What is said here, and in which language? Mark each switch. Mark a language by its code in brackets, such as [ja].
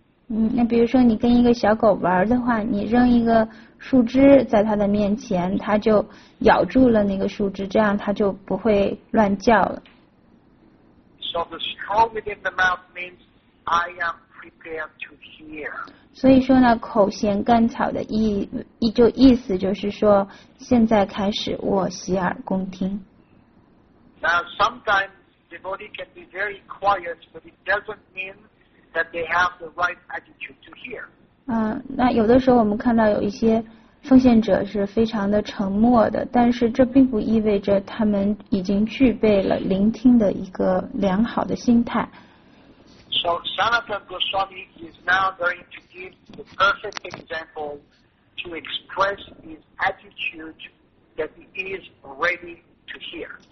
[zh] 那比如说你跟一个小狗玩的话，你扔一个树枝在它的面前，它就咬住了那个树枝，这样它就不会乱叫了。 [en] So the straw within the mouth means I am prepared to hear. [zh] 所以说呢，口衔甘草的意思就是说，现在开始我洗耳恭听。 [en] Now sometimes devotee can be very quiet, but it doesn't mean that they have the right attitude to hear. [zh] 那有的时候我们看到有一些奉献者是非常的沉默的，但是这并不意味着他们已经具备了聆听的一个良好的心态。 [en] So Sanatana Goswami is now going to give the perfect example to express his attitude that he is ready to hear.